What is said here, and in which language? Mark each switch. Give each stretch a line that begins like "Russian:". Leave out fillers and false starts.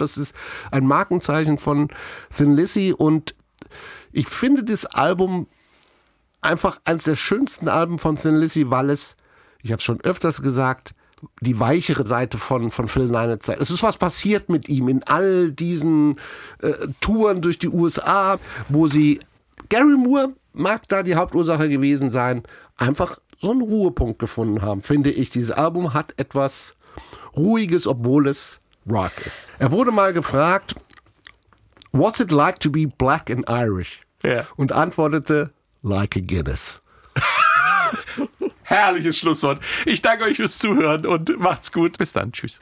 German: Das ist ein Markenzeichen von Thin Lizzy. Und ich finde das Album einfach eines der schönsten Alben von Thin Lizzy, weil es, ich habe es schon öfters gesagt, die weichere Seite von Phil Lynott zeigt. Es ist was passiert mit ihm in all diesen Touren durch die USA, wo sie, Gary Moore mag da die Hauptursache gewesen sein, einfach so einen Ruhepunkt gefunden haben, finde ich. Dieses Album hat etwas Ruhiges, obwohl es Rock ist. Er wurde mal gefragt,
English: What's it like to be black and Irish? Yeah.
German: Und antwortete,
English: like a Guinness.
German: Herrliches Schlusswort. Ich danke euch fürs Zuhören und macht's gut. Bis dann. Tschüss.